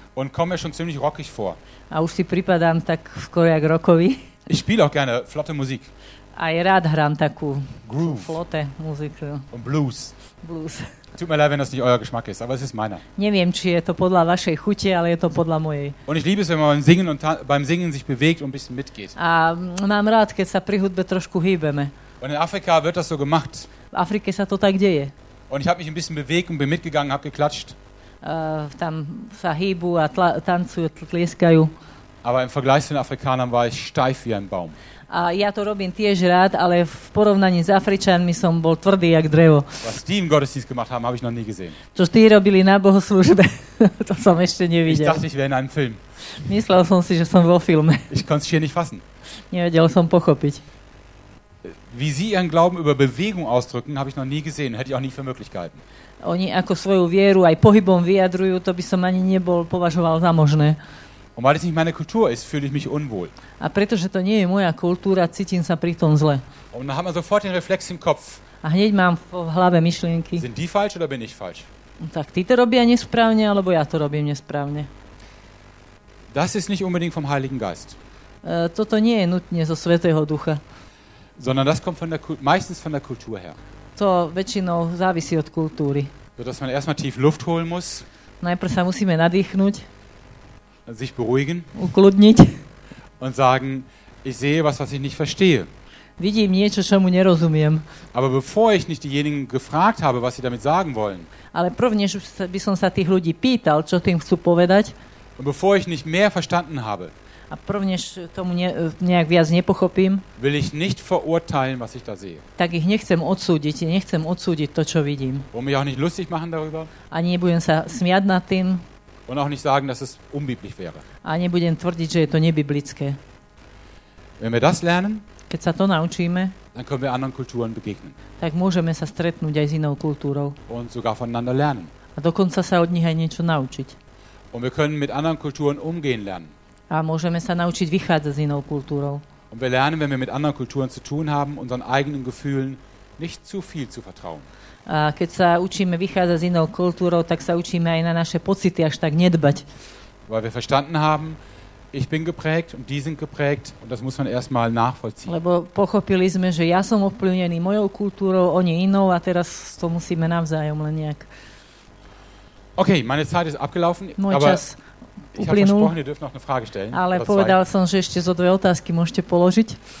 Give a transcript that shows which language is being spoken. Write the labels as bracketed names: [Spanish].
[German] Und komme schon ziemlich rockig vor. [Slovak] A už si pripadám tak skoro jak rockový. [German] Ich spiele auch gerne flotte Musik. [Slovak] Aj rád hram takú [English] groove. [Slovak] Flotte muziku. [German] Und Blues. [Slovak] Blues. [German] Tut mir leid, wenn das nicht euer Geschmack ist, aber es ist meiner. [Slovak] Neviem, či je to podľa vašej chute, ale je to podľa mojej. [German] Und ich liebe es, wenn man beim Singen sich bewegt und ein bisschen mitgeht. [Slovak] A mám rád, keď sa pri hudbe trošku hýbeme. [German] Und in Afrika wird das so gemacht. [Slovak] V Afrike sa to tak deje. [German] Und ich habe mich ein bisschen bewegt und bin mitgegangen, habe geklatscht. [Slovak] Tam sa hýbu a tancujú, tlieskajú. [German] Aber im Vergleich zu den Afrikanern war ich steif wie ein Baum. [Slovak] A ja to robím tiež rád, ale v porovnaní s Afričanmi som bol tvrdý jak drevo. [German] Was die im Gottesdienst gemacht haben, habe ich noch nie gesehen. [Slovak] Čo tí robili na bohoslužbe, to som ešte nevidel. [German] Ich dachte, ich wäre in einem Film. [Slovak] Myslel som si, že som vo filme. [German] Ich konnte es hier nicht fassen. [Slovak] Nevedel som pochopiť. [German] Wie sie ihren Glauben über Bewegung ausdrücken, habe ich noch nie gesehen, hätte ich auch nie für möglich gehalten. [Slovak] Oni ako svoju vieru aj pohybom vyjadrujú, to by som ani nebol považoval za možné. [German] Und weil es nicht meine Kultur ist, fühle ich mich unwohl. [Slovak] A pretože to nie je moja kultúra, cítim sa pri tom zle. [German] Und dann hat man sofort den Reflex im Kopf. [Slovak] A hneď mám v hlave myšlienky. [German] Sind die falsch oder bin ich falsch? [Slovak] Tak ty to robia nesprávne, alebo ja to robím nesprávne. [German] Das ist nicht unbedingt vom Heiligen Geist. [Slovak] Toto nie je nutne zo Svätého Ducha. [German] Sondern das kommt meistens von der Kultur her. [Slovak] To väčšinou závisí od kultúry. [German] So dass man erstmal tief Luft holen muss. [Slovak] Najprv sa musíme nadýchnuť. [German] Sich beruhigen. [Slovak] Ukludniť. [German] Und sagen, ich sehe was, was ich nicht verstehe. [Slovak] Vidím niečo, čo mu nerozumiem. [German] Aber bevor ich nicht diejenigen gefragt habe, was sie damit sagen wollen. [Slovak] Ale prv, než by som sa tých ľudí pýtal, čo tým chcú povedať. [German] Und bevor ich nicht mehr verstanden habe. [Slovak] A prv, než tomu nejak viac nepochopím. [German] Will ich nicht verurteilen, was ich da sehe. [Slovak] Tak ich nechcem odsúdiť to, čo vidím. [German] Und mich auch nicht lustig machen darüber. [Slovak] A nebudem sa smiať nad tým. [German] Und auch nicht sagen, dass es unbiblisch wäre. [Slovak] A nebudem tvrdiť, že je to nebiblické. [German] Wenn wir das lernen, [Slovak] keď sa to naučíme, [German] dann können wir anderen Kulturen begegnen. [Slovak] Tak môžeme sa stretnúť aj s inou kultúrou. [German] Und sogar voneinander lernen. [Slovak] A dokonca sa od nich aj niečo naučiť. [German] Und wir können mit anderen Kulturen umgehen lernen. [Slovak] A môžeme sa naučiť vychádzať s inou kultúrou. [German] Und wir lernen, wenn wir mit anderen Kulturen zu tun haben, unseren eigenen Gefühlen nicht zu viel zu vertrauen. [Slovak] A keď sa učíme vychádzať z inou kultúrou, tak sa učíme aj na naše pocity až tak nedbať. [German] Weil wir verstanden haben, ich bin geprägt und die sind geprägt und das muss man erstmal nachvollziehen. [Slovak] Lebo pochopili sme, že ja som ovplyvnený mojou kultúrou, oni inou a teraz to musíme navzájom len nejak. [German] Okay, meine Zeit ist abgelaufen. [Slovak] Môj čas uplynul. [German] Ich habe versprochen, ihr dürft noch eine Frage stellen. [Slovak] Ale povedal som, že ešte zo dve otázky môžete položiť.